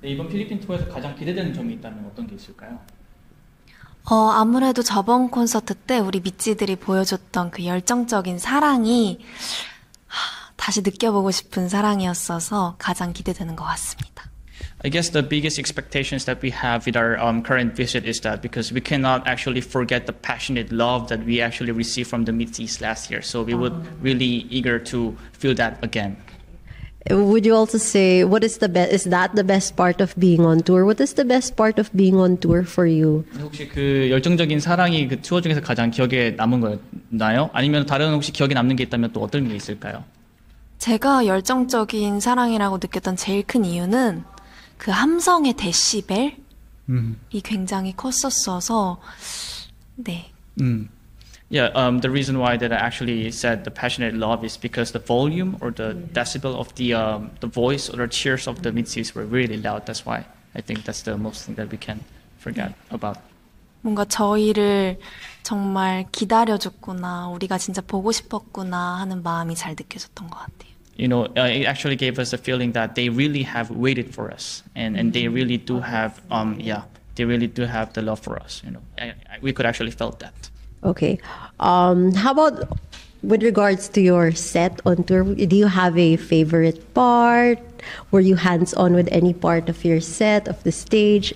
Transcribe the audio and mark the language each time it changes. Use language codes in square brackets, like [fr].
[ko] 네, 이번 필리핀 투어에서 가장 기대되는 점이 있다면 어떤 게 있을까요? 아무래도 저번 콘서트 때 우리 미찌들이 보여줬던 그 열정적인 사랑이 다시 느껴보고 싶은 사랑이었어서 가장 기대되는 것 같습니다. [en] I guess the biggest expectations that we have with our current visit is that because we cannot actually forget the passionate love that we actually received from the Mitzis last year. So we would really eager to feel that again. Would you also say, what is the best, is that the best part of being on tour? What is the best part of being on tour for you? [ko] 혹시 그 열정적인 사랑이 그 투어 중에서 가장 기억에 남은 거였나요? 아니면 다른 혹시 기억에 남는 게 있다면 또 어떤 게 있을까요? 제가 열정적인 사랑이라고 느꼈던 제일 큰 이유는 그 함성의 데시벨이 굉장히 컸었어서 네. [en] The reason why that I actually said the passionate love is because the volume or the decibel of the voice or the cheers of the Mitzis were really loud. That's why I think that's the most thing that we can forget about. [ko] 뭔가 저희를 정말 기다려줬구나, 우리가 진짜 보고 싶었구나 하는 마음이 잘 느껴졌던 것 같아요. [en] You know, it actually gave us a feeling that they really have waited for us, and they really do have, they really do have the love for us. You know, we could actually felt that. Okay, how about with regards to your set on tour? Do you have a favorite part? Were you hands on with any part of your set of the stage?